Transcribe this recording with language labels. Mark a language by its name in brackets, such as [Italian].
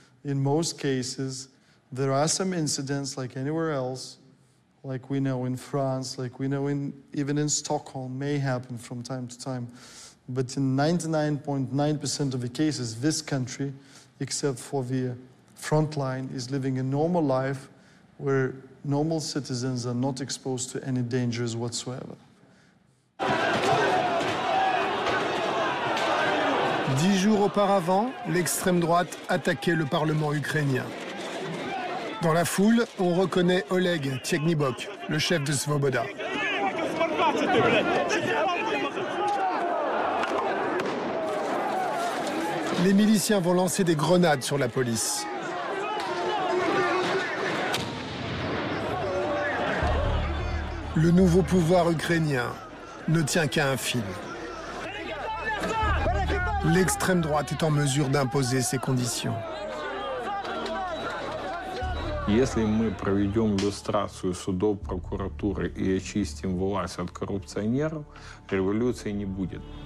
[English] In most cases, there are some incidents like anywhere else, like we know in France, like we know even in Stockholm, may happen from time to time. But in 99.9% of the cases, this country, except for the front line, is living a normal life where normal citizens are not exposed to any dangers whatsoever. [French] 10 jours auparavant, l'extrême droite attaquait le Parlement ukrainien. Dans la foule, on reconnaît Oleg Tchegnibok, le chef de Svoboda. Les miliciens vont lancer des grenades sur la police. Le nouveau pouvoir ukrainien ne tient qu'à un fil. L'extrême droite est en mesure d'imposer ses conditions. [Russian] Если мы проведем люстрацию судов, прокуратуры и очистим власть от коррупционеров, революции не будет.